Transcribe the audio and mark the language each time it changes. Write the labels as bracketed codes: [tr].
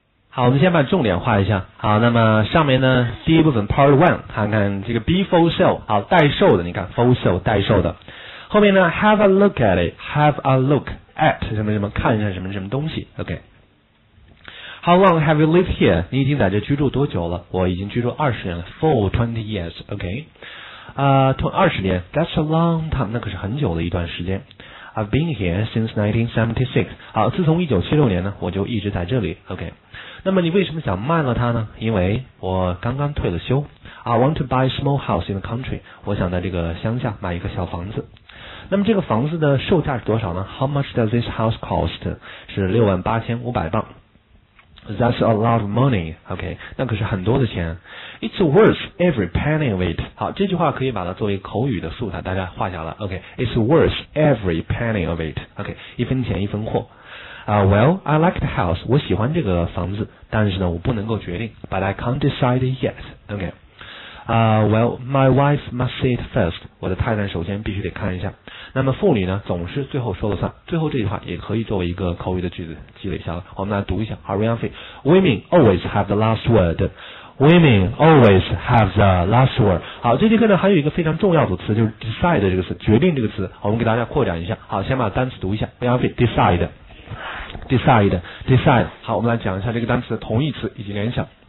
[zh] 好，我们先把重点画一下。好，那么上面呢，第一部分 Part 1， 看看这个 Be Full Show， 好，代售的，你看 Full Show 代售的。后面呢 ， [en] Have a look at it， Have a look at [zh] 什么什么，看一下什么什么东西。 OK。 [en] How long have you lived here？ [zh] 你已经在这居住多久了？我已经居住20年了 ， [en] Full 20 years。 [zh] OK。 20年 ， [en] That's a long time， [zh] 那可是很久的一段时间。 [en] I've been here since 1976。 [zh] 好，自从1976年呢，我就一直在这里。 [en] OK。 [zh] 那么你为什么想卖了它呢？因为我刚刚退了休。 [en] I want to buy a small house in the country。 [zh] 我想在这个乡下买一个小房子。那么这个房子的售价是多少呢 ？ [en] How much does this house cost？ [zh] 是68500磅。 [en] That's a lot of money. [zh] OK， 那可是很多的钱。 [en] It's worth every penny of it. [zh] 好，这句话可以把它作为口语的素材，大家画下了。 [en] OK， it's worth every penny of it. OK， [zh] 一分钱一分货。 [en] Well, I like the house. [zh] 我喜欢这个房子，但是呢，我不能够决定。 [en] But I can't decide yet. OK。 Well, my wife must see it first. [zh] 我的太太首先必须得看一下。那么妇女呢，总是最后说了算。最后这句话也可以作为一个口语的句子积累下来。我们来读一下 [en] ，Harianfi， Women always have the last word. Women always have the last word. [zh] 好，这节课呢还有一个非常重要的词，就是 decide 这个词，决定这个词。我们给大家扩展一下。好，先把单词读一下 ，Harianfi， decide， decide， decide。好，我们来讲一下这个单词的同义词以及联想。